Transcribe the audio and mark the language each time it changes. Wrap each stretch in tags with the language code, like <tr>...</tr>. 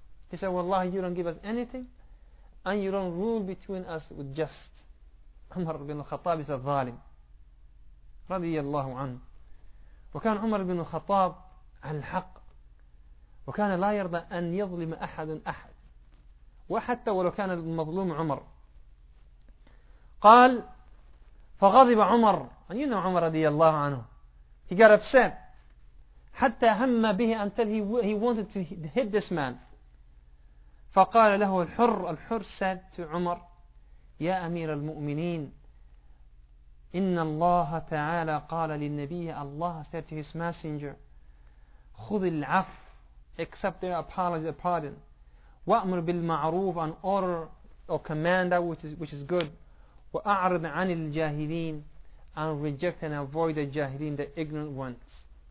<en>He said, والله, you don't give us anything and you don't rule between us with just. عمر بن الخطاب is a ظالم رضي الله عنه.</en> <ar>وكان عمر بن الخطاب عن الحق وكان لا يرضى أن يظلم أحد أحد وحتى ولو كان المظلوم عمر. قال فغضب عمر,</ar> <en>and you know عمر رضي الله عنه, he got upset</en> <ar>حتى هم به</ar> <en>until he wanted to hit this man.</en> <ar>فقال له الحر,</ar> <en>الحر said to عمر,</en> <ar>يا أمير المؤمنين إن الله تعالى قال للنبي,</ar> <en>Allah said to his messenger,</en> <ar>خذ العفو,</ar> <en>accept their apology, pardon,</en> <ar>وأمر بالمعروف,</ar> <en>and order or command that which is good,</en> <ar>وأعرض عن الجاهلين,</ar> <en>and reject and avoid the جاهلين, the ignorant ones.</en>